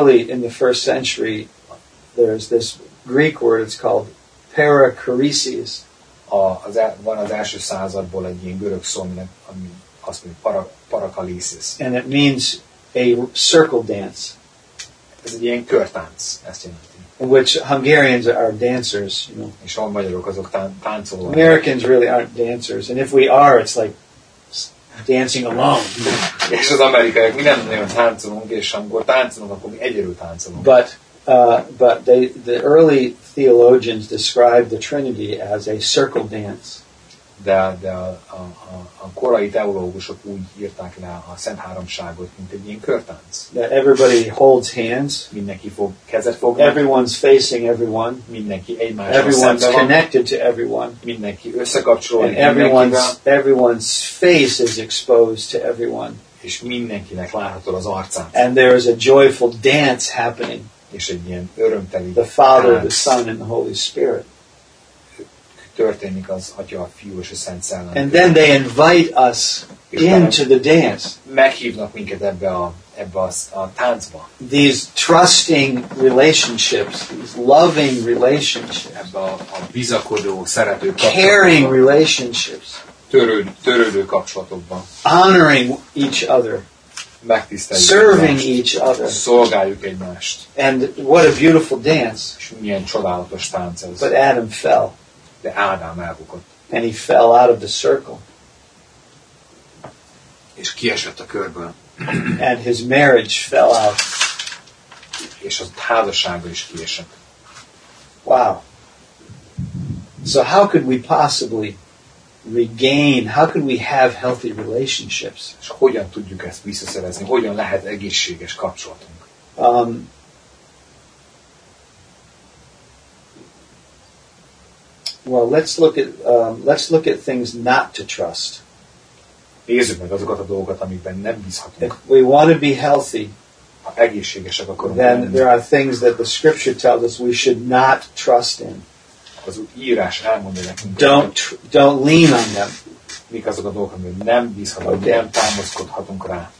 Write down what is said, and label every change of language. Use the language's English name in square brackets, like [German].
[English] In the first century, there's this Greek word, it's called parakeresis. [Hungarian] Van az első századból egy ilyen görög szó, ami azt mondja, parakalisis. [English] And it means a circle dance. [Hungarian] Ez egy ilyen körtánc, ezt jelenti. [English] Which Hungarians are dancers, you know. [Hungarian] És a magyarok azok táncolók. [English] Americans really aren't dancers, and if we are, it's like dancing alone. [Hungarian] És az amerikaiak, mi nem nagyon táncolunk, és amikor táncolunk, akkor mi egyedül táncolunk. [English] But the early theologians described the Trinity as a circle dance. [Hungarian] De a korai teológusok úgy írták le a Szent Háromságot, mint egy ilyen körtánc. [English] That everybody holds hands. [Hungarian] Mindenki fog kezet fognak. [English] Everyone's facing everyone. [Hungarian] Mindenki egymásra. [English] Everyone's connected to everyone. [Hungarian] Mindenki összekapcsolódik mindenkivel. [English] Everyone's face is exposed to everyone. [Hungarian] És mindenkinek látható az arcát. [English] And there is a joyful dance happening. [Hungarian] És egy ilyen örömteli [English] the Father, [Hungarian] tánc. [English] The Son, and the Holy Spirit. [Hungarian] Történik az Atya, a Fiú és a Szent Szellem. [English] And then they invite us into the dance. [Hungarian] Meghívnak minket ebbe a táncba. [English] These trusting relationships, these loving relationships, [Hungarian] ebbe a bizakodó, szerető [English] caring relationships, [Hungarian] törődő kapcsolatokba. [English] Honoring each other. [Hungarian] Megtiszteljük [English] serving [Hungarian] egymást, [English] each other. [Hungarian] Szolgáljuk egymást. [English] And what a beautiful dance. [Hungarian] És milyen csodálatos tánc ez. [English] But Adam fell. [Hungarian] De Ádám elbukott. [English] And he fell out of the circle. [Hungarian] És kiesett a körből. [English] And his marriage fell out. [Hungarian] És a házassága is kiesett. Wow. [English] So how could we possibly regain, how could we have healthy relationships? [Hungarian] És hogyan tudjuk ezt visszaszerezni? Hogyan lehet egészséges kapcsolatunk? [English] Well, let's look at things not to trust. [Hungarian] Nézzük meg azokat a dolgokat, amikben nem bízhatunk. [English] If we want to be healthy, [Hungarian] ha egészségesek akarunk, [English] then there are things that the scripture tells us we should not trust in. [Hungarian] Az írás elmondja nekünk. [English] Don't lean on them. [Hungarian] Mik azok a dolgok, amiben nem bízhatunk, okay. Nem támaszkodhatunk rá.